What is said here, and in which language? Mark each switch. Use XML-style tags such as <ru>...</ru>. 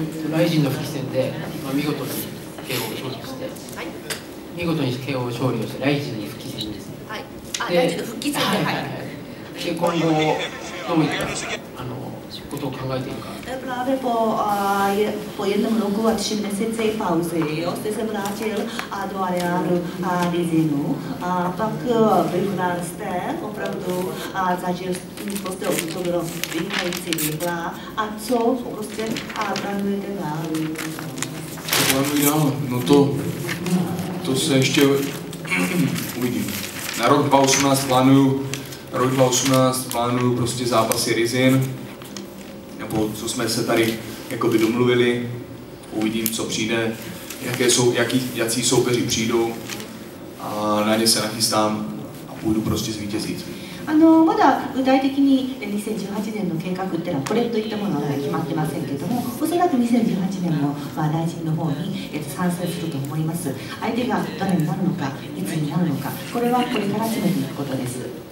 <ja>ライジンの復帰戦で、まあ、見事に KO を勝利して、はい、見事に KO を勝利をしてライジンに復帰戦です、はい、ライジンの復帰戦で、はい、で今後どういったあのことを考えているか。</ja> <cs>právě po jednom roku a tři měsíce pauzy jste se vrátil do areálu Rizinu a pak vyhrál jste, opravdu zažil jste to bylo vynikající výhra a co prostě plánujete dál? No to se ještě uvidím. Na rok 2018 plánuju rok 2018 plánuju prostě zápasy Rizin, nebo co jsme se tady jakoby domluvili, uvidím, co přijde, jaký soupeři přijdou a na ně se nachystám a půjdu prostě zvítězit.</cs> <ja>まだ具体的に2018年の計画ってのはこれといったものが決まってませんけれども、おそらく2018年も、まあ、大臣の方に、参戦すると思います。相手が誰になるのか、いつになるのか、これはこれから決めていくことです。</ja>